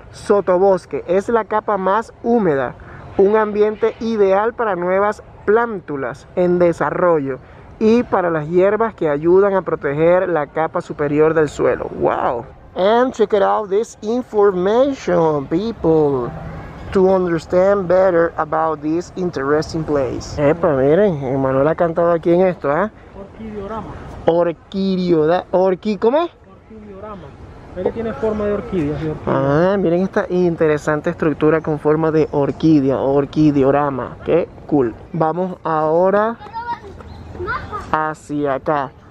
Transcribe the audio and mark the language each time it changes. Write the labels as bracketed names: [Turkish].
[Spanish] Sotobosque es la capa más húmeda, un ambiente ideal para nuevas plántulas en desarrollo y para las hierbas que ayudan a proteger la capa superior del suelo. Wow. [English] And check it out this information, people. To understand better about this interesting place. [Spanish] Epa, miren, Emmanuel ha cantado aquí en esto, ¿ah? ¿Cómo es? Orquidiorama. Pero tiene forma de orquídea. Miren esta interesante estructura con forma de orquídea, orquidiorama. Qué cool. Vamos ahora hacia acá.